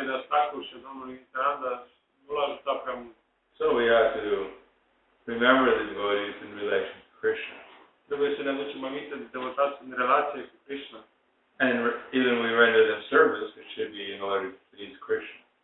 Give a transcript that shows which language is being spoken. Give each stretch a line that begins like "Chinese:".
English: So we have to remember the devotees in relation to Krishna.
Romanian: Trebuie să ne aducem aminte de devotați în relație cu Krishna.
English: And even we render them service, it should be in order to please Krishna.